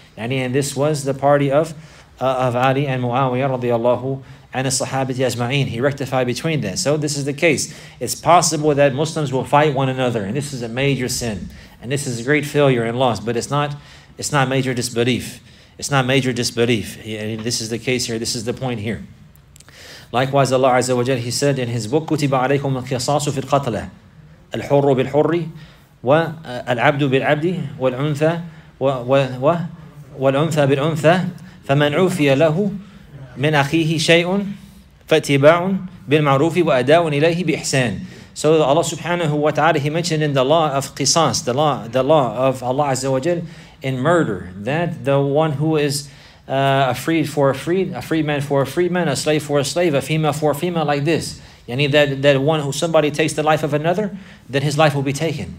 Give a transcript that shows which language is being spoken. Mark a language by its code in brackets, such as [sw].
[en] And this was the party of Ali and Muawiyah radiyallahu and the Sahabati Ajma'een. He rectified between them. So this is the case. It's possible that Muslims will fight one another, and this is a major sin, and this is a great failure and loss, but it's not major disbelief. It's not major disbelief. And this is the case here. This is the point here. Likewise, Allah Azza wa Jal, He said in His book, [ar] كُتِبَ عَلَيْكُمُ الْقِصَاصُ فِي الْقَتْلَ الْحُرُّ بِالْحُرِّ وَالْعَبْدُ بِالْعَبْدِ وَالْعُنْثَ وَالْعُنْثَ بِالْعُنْثَ فَمَنْ عُفِيَ لَهُ مِنْ أَخِيهِ شَيْءٌ فَاتِّبَاعٌ بِالْمَعْرُوفِ وَأَدَاءٌ إِلَيْهِ بِإِحْسَانٍ. [en] So Allah subhanahu wa ta'ala, He mentioned in the law of qisas, the law of Allah azza wa jal in murder, that the one who is a freed man for a freed man, a slave for a slave, a female for a female, like this. Yani that one who somebody takes the life of another, then his life will be taken.